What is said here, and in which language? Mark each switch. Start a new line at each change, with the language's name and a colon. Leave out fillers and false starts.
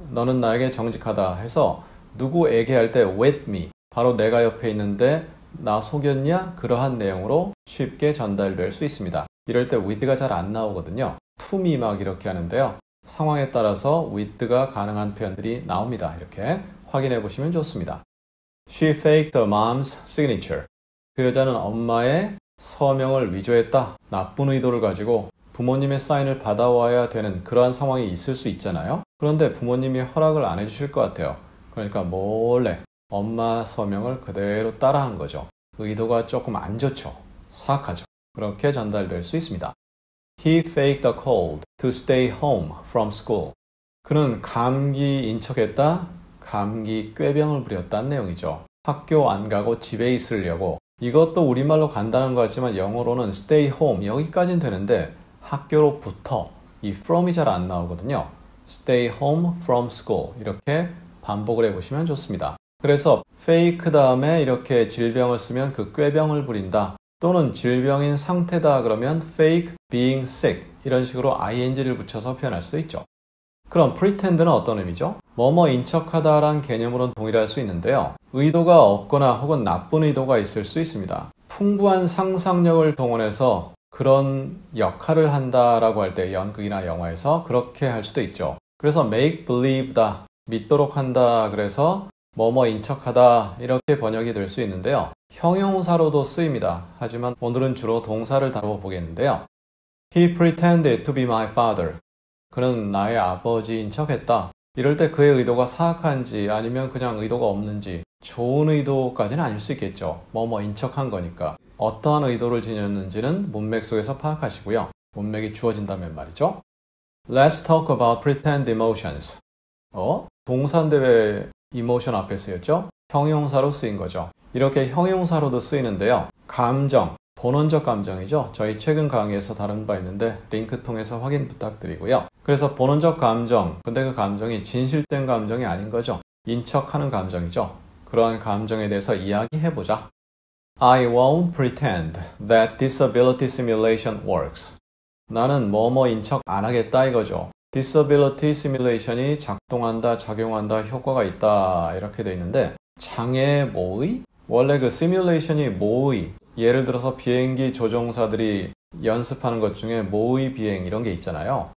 Korean: 너는 나에게 정직하다 해서 누구에게 할 때 with me. 바로 내가 옆에 있는데 나 속였냐? 그러한 내용으로 쉽게 전달될 수 있습니다. 이럴 때 with가 잘 안 나오거든요. to me 막 이렇게 하는데요. 상황에 따라서 with가 가능한 표현들이 나옵니다. 이렇게 확인해 보시면 좋습니다.
English: She faked her mom's signature.
Korean: 그 여자는 엄마의 서명을 위조했다. 나쁜 의도를 가지고 부모님의 사인을 받아와야 되는 그러한 상황이 있을 수 있잖아요. 그런데 부모님이 허락을 안 해주실 것 같아요. 그러니까 몰래 엄마 서명을 그대로 따라한 거죠. 의도가 조금 안 좋죠. 사악하죠. 그렇게 전달될 수 있습니다.
English: He faked a cold to stay home from school.
Korean: 그는 감기인 척했다. 감기 꾀병을 부렸다는 내용이죠. 학교 안 가고 집에 있으려고. 이것도 우리말로 간단한 것 같지만 영어로는 stay home 여기까지는 되는데 학교로 부터 이 from이 잘 안 나오거든요.
English: stay home from school
Korean: 이렇게 반복을 해보시면 좋습니다. 그래서 fake 다음에 이렇게 질병을 쓰면 그 꾀병을 부린다. 또는 질병인 상태다 그러면
English: fake being sick
Korean: 이런 식으로 ing를 붙여서 표현할 수도 있죠. 그럼 pretend는 어떤 의미죠? 뭐뭐인 척하다란 개념으로는 동일할 수 있는데요. 의도가 없거나 혹은 나쁜 의도가 있을 수 있습니다. 풍부한 상상력을 동원해서 그런 역할을 한다라고 할 때 연극이나 영화에서 그렇게 할 수도 있죠. 그래서 make believe다, 믿도록 한다, 그래서 뭐뭐인 척하다 이렇게 번역이 될 수 있는데요. 형용사로도 쓰입니다. 하지만 오늘은 주로 동사를 다뤄보겠는데요.
English: He pretended to be my father.
Korean: 그는 나의 아버지인 척했다. 이럴 때 그의 의도가 사악한지 아니면 그냥 의도가 없는지 좋은 의도까지는 아닐 수 있겠죠. 뭐뭐인 척한 거니까. 어떠한 의도를 지녔는지는 문맥 속에서 파악하시고요. 문맥이 주어진다면 말이죠.
English: Let's talk about pretend emotions.
Korean: 동사인데 왜 emotion 앞에 쓰였죠? 형용사로 쓰인 거죠. 이렇게 형용사로도 쓰이는데요. 감정, 본원적 감정이죠. 저희 최근 강의에서 다룬 바 있는데 링크 통해서 확인 부탁드리고요. 그래서 본원적 감정, 근데 그 감정이 진실된 감정이 아닌 거죠. 인척하는 감정이죠. 그러한 감정에 대해서 이야기해보자.
English: I won't pretend that disability simulation works.
Korean: 나는 뭐뭐인 척 안 하겠다 이거죠. Disability simulation이 작동한다, 작용한다, 효과가 있다 이렇게 되어 있는데 장애 모의? 원래 그 시뮬레이션이 모의 예를 들어서 비행기 조종사들이 연습하는 것 중에 모의 비행 이런 게 있잖아요.